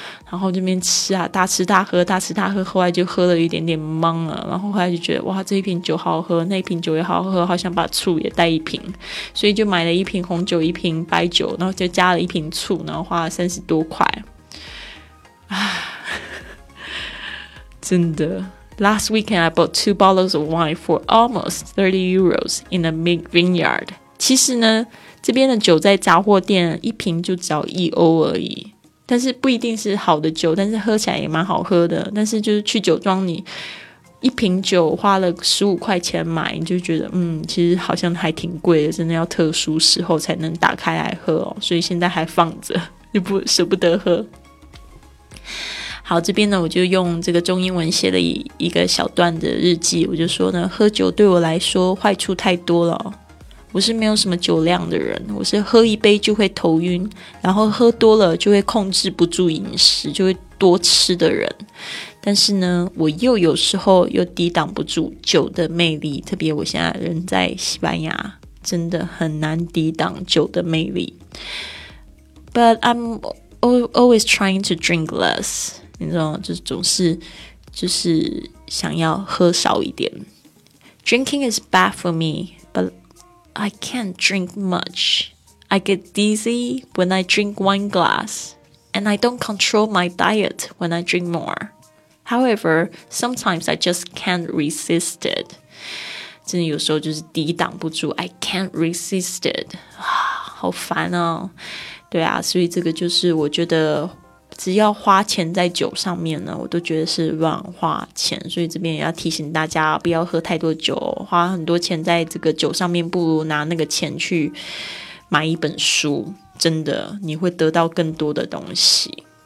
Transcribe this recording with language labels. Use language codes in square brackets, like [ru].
[zh] 然后这边吃啊大吃大喝大吃大喝，后来就喝了一点点懵了，然后后来就觉得哇这一瓶酒好喝，那一瓶酒也好喝，好想把醋也带一瓶，所以就买了一瓶红酒一瓶白酒，然后就加了一瓶醋，然后花了30多块。真的 [en] Last weekend I bought two bottles of wine for almost 30 euros in a vineyard. [zh] 其实呢这边的酒在杂货店一瓶就只要1欧而已，但是不一定是好的酒，但是喝起来也蛮好喝的，但是就是去酒庄你一瓶酒花了15块钱买，你就觉得嗯，其实好像还挺贵的，真的要特殊时候才能打开来喝哦，所以现在还放着就不舍不得喝。好，这边呢我就用这个中英文写了一个小段的日记，我就说呢喝酒对我来说坏处太多了，我是没有什么酒量的人，我是喝一杯就会头晕，然后喝多了就会控制不住饮食，就会多吃的人。但是呢，我又有时候又抵挡不住酒的魅力，特别我现在人在西班牙，真的很难抵挡酒的魅力。 [en] But I'm always trying to drink less， [zh] 你知道吗？就总是就是想要喝少一点。 [en] Drinking is bad for me, butI can't drink much. I get dizzy when I drink one glass, and I don't control my diet when I drink more. However, sometimes I just can't resist it. [zh] 真的有时候就是抵挡不住 [en] I can't resist it. [zh] 好烦哦。对啊，所以这个就是我觉得只要花钱在酒上面呢我都觉得是乱花钱，所以这边也要提醒大家不要喝太多酒，花很多钱在这个酒上面不如拿那个钱去买一本书，真的你会得到更多的东西。